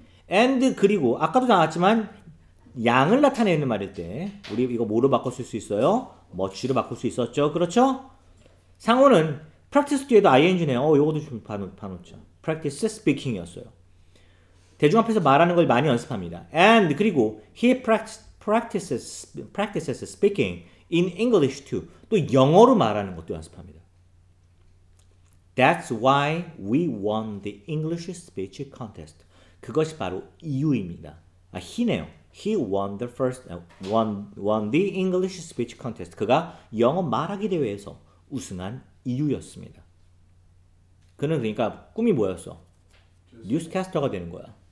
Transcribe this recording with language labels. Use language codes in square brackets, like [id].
[ko] And 그리고 아까도 나왔지만 양을 나타내는 말일 때 우리 이거 뭐로 바꿀 수 있어요? much로 바꿀 수 있었죠. 그렇죠? 상호는 practice 뒤에도 ing네요. 요것도 좀 봐놓죠. practice speaking이었어요. 대중 앞에서 말하는 걸 많이 연습합니다. [en] And [ko] 그리고 [en] he practices speaking in English too. [ko] 또 영어로 말하는 것도 연습합니다. [en] That's why we won the English speech contest. [ko] 그것이 바로 이유입니다. 아, he네요. [en] He won the English speech contest. [ko] 그가 영어 말하기 대회에서 우승한 이유였습니다. 그는 그러니까 꿈이 뭐였어? 뉴스캐스터가 되는 거야.